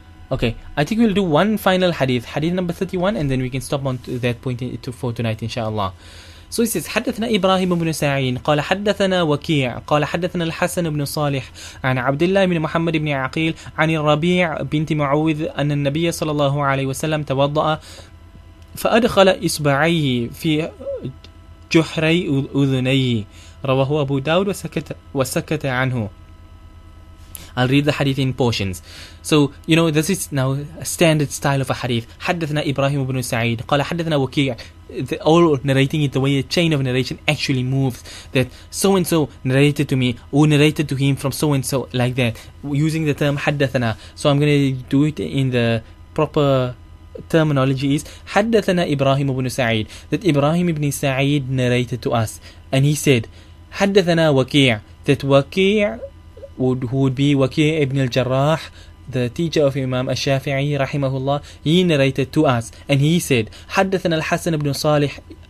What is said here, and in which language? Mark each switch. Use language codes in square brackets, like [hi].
[en] Okay, I think we'll do one final hadith, hadith number 31, and then we can stop on to that point for tonight, inshallah. [ar] So he says, حدثنا إبراهيم بن سعين قال حدثنا وكيع قال حدثنا الحسن بن صالح عن عبد الله بن محمد بن عقيل عن الربيع بنت معوذ أن النبي صلى الله عليه وسلم توضأ فأدخل إصبعيه في جحري أذنيه رواه أبو داود وسكت عنه. [en] I'll read the hadith in portions. So, you know, this is now a standard style of a hadith. [ar] حدثنا إبراهيم بن سعيد قال حدثنا وكيع. [en] All narrating it, the way a chain of narration actually moves, that so-and-so narrated to me, or narrated to him from so-and-so, like that, using the term حدثنا. So I'm going to do it in the proper terminology, is [ar] حدثنا إبراهيم بن سعيد, [en] that Ibrahim ibn Sa'id narrated to us, and he said [ar] حدثنا وكيع, [en] that وكيع would be وكيع ibn al-Jarrah, the teacher of Imam al-Shafi'i rahimahullah, he narrated to us, and he said [ar] حدثنا الحسن بن صالح,